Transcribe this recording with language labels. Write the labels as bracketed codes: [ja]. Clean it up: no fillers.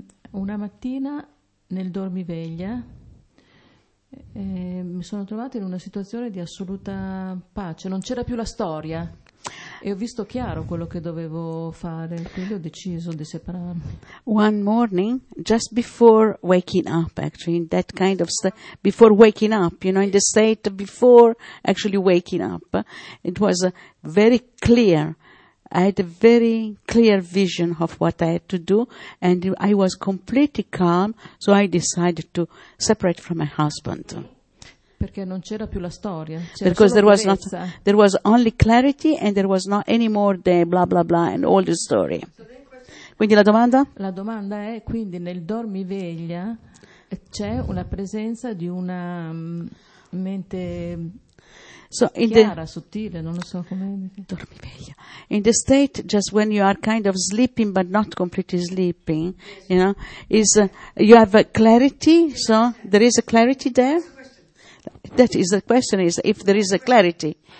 [it] Una mattina nel dormiveglia mi sono trovata in una situazione di assoluta pace, non c'era più la storia. E ho visto chiaro quello che dovevo fare, quindi ho deciso di separarmi. [en] One morning, just before waking up, actually, in that kind of before waking up, you know, in the state before actually waking up, it was very clear. I had a very clear vision of what I had to do, and I was completely calm, so I decided to separate from my husband. [it] Perché non c'era più la storia. [en] Because there was only clarity and there was not any more the blah blah blah and all the story. [it] Quindi la domanda? La domanda è, quindi nel dormiveglia c'è una presenza di una mente chiara, sottile, non lo so come. Dormiveglia. [en] In the state just when you are kind of sleeping but not completely sleeping, you know, is you have a clarity, so there is a clarity there. That is the question, is if there is a clarity.